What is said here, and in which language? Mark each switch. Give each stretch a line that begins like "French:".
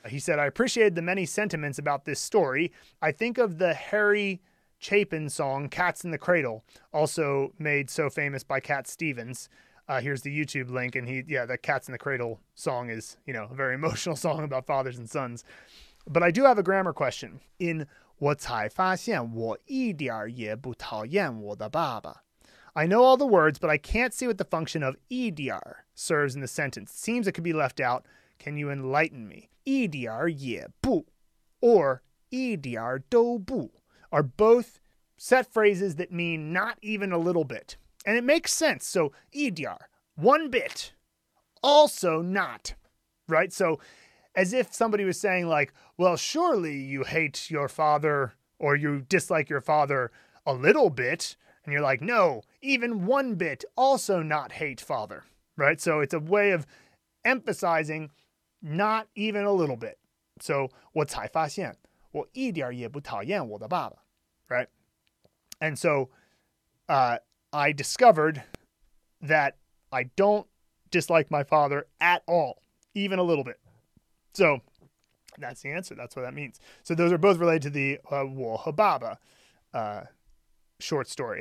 English: He said, I appreciated the many sentiments about this story. I think of the Harry Chapin song, Cats in the Cradle, also made so famous by Cat Stevens. Here's the YouTube link. And the Cats in the Cradle song is, you know, a very emotional song about fathers and sons. But I do have a grammar question.
Chinese: In 我才发现我一点也不讨厌我的爸爸.
English: I know all the words, but I can't see what the function of 一点 serves in the sentence. Seems it could be left out. Can you enlighten me? 一点也不 or 一点都不 are both set phrases that mean not even a little bit. And it makes sense. So 一点, one bit, also not, right? So as if somebody was saying like, well, surely you hate your father or you dislike your father a little bit. And you're like, no, even one bit, also not hate father, right? So it's a way of emphasizing not even a little bit.
Chinese: So 我才发现我一点也不讨厌我的爸爸.
English: Right. And so I discovered that I don't dislike my father at all, even a little bit. So that's the answer. That's what that means. So those are both related to the Wohababa short story.